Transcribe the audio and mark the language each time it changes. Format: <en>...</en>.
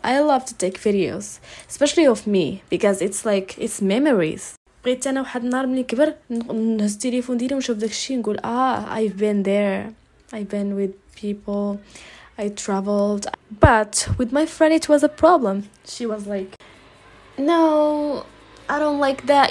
<en>I love to take videos, especially of me, because it's like it's memories.</en> <ar>بغيت انا واحد النهار ملي كبر نهز التليفون ديالي ونشوف داكشي نقول</ar> <en>I've been there. I've been with people. I traveled. But with my friend it was a problem. She was like, "No, I don't like that.</en>